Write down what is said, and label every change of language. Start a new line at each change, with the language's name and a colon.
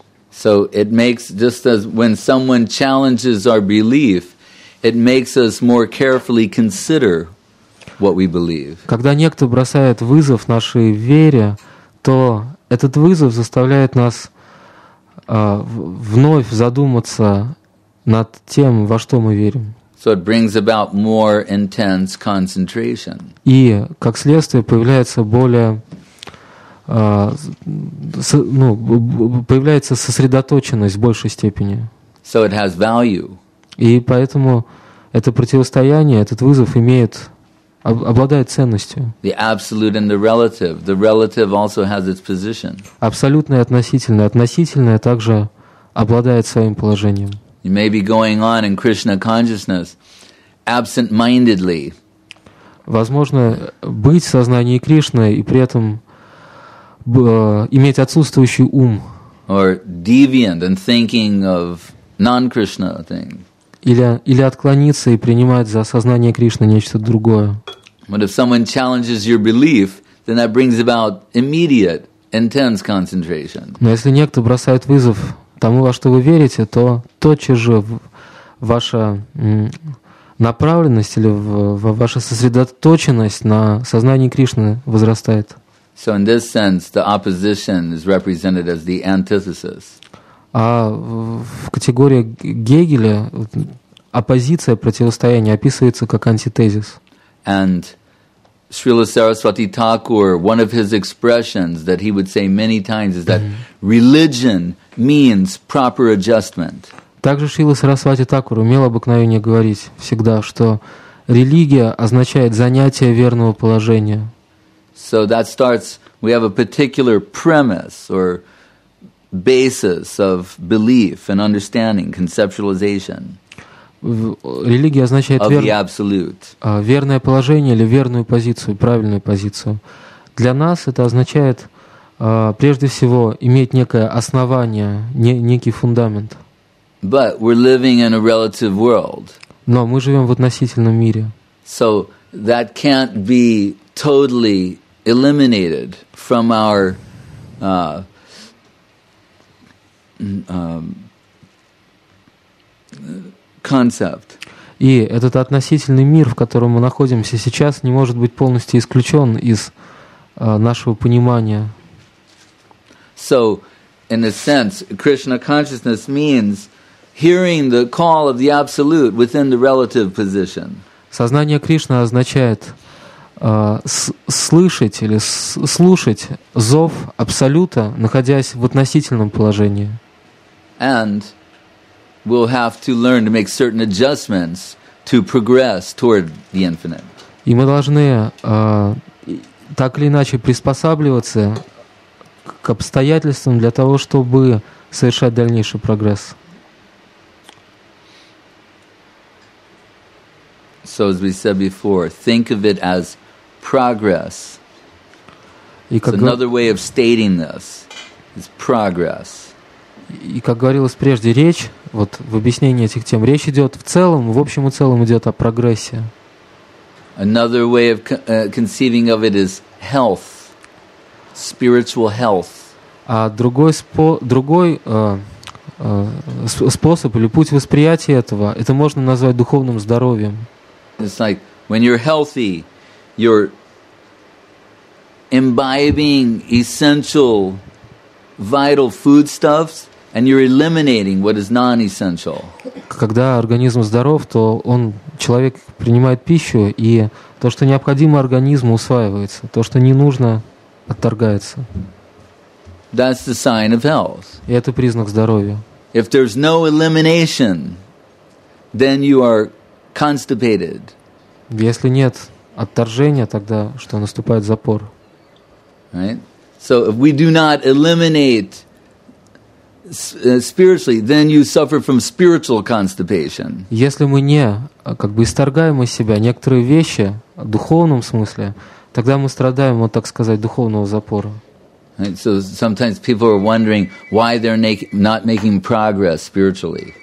English: So it makes just as when someone challenges our belief, it makes us more carefully consider what we believe.
Russian: Когда некто бросает вызов нашей вере, то этот вызов заставляет нас вновь задуматься над тем, во что мы верим.
English: So it brings about more intense concentration.
Russian: И, как следствие, появляется более появляется сосредоточенность в большей степени.
English: So it has value.
Russian: И поэтому это противостояние, этот вызов имеет обладает ценностью.
English: The absolute and the relative. The relative also has its position.
Russian: Абсолютное и относительное. Относительное также обладает своим положением.
English: You may be going on in Krishna consciousness absent-mindedly.
Russian: Возможно, быть в сознании Кришны и при этом иметь отсутствующий ум.
English: Or deviant and thinking of non-Krishna thing.
Russian: Или отклониться и принимать за сознание Кришны нечто другое.
English: But if someone challenges your belief, then that brings about immediate, intense concentration.
Russian: Но если некто бросает вызов тому, во что вы верите, то тотчас же ваша направленность или ваша сосредоточенность на сознании Кришны возрастает.
English: So in this sense, the opposition is represented as the antithesis.
Russian: А в категории Гегеля оппозиция, противостояние описывается как антитезис.
English: And Srila Saraswati Thakur, one of his expressions that he would say many times is that religion means proper adjustment.
Russian: Также Шрила Сарасвати Такур умел обыкновение говорить всегда, что религия означает занятие верного положения.
English: So that starts, we have a particular premise or basis of belief and understanding, conceptualization.
Russian: Религия означает верное положение или верную позицию, правильную позицию. Для нас это означает прежде всего иметь некое основание, некий фундамент.
English: But we're living in a relative world.
Russian: Но мы живем в относительном мире.
English: So that can't be totally eliminated from our concept.
Russian: И этот относительный мир, в котором мы находимся сейчас, не может быть полностью исключен из нашего понимания.
English: So, in a sense, Krishna consciousness means hearing the call of the absolute within the relative position.
Russian: Сознание Кришны означает слышать или слушать зов абсолюта, находясь в относительном положении.
English: And we'll have to learn to make certain adjustments to progress toward the infinite.
Russian: И мы должны так или иначе приспосабливаться к обстоятельствам для того, чтобы совершать дальнейший прогресс.
English: So as we said before, think of it as progress. It's another way of stating this. It's progress.
Russian: И как говорилось прежде, речь, вот в объяснении этих тем, речь идет в целом, в общем и целом идет о прогрессе.
English: Another way of conceiving of it is health, spiritual health.
Russian: А другой, способ или путь восприятия этого, это можно назвать духовным здоровьем.
English: It's like when you're healthy, you're imbibing essential vital foodstuffs, and you're eliminating what is non-essential.
Russian: Когда организм здоров, то он, человек принимает пищу, и то, что необходимо организму, усваивается. То, что не нужно, отторгается.
English: That's the sign of health.
Russian: И это признак здоровья.
English: If there's no elimination, then you are constipated.
Russian: Если нет отторжения, тогда что, наступает запор.
English: Right? So if we do not eliminate spiritually, then you suffer from spiritual constipation.
Russian: Если мы не как бы исторгаем из себя некоторые вещи в духовном смысле, тогда мы страдаем от, так сказать, духовного запора.
English: So sometimes people are wondering why they're not making progress spiritually.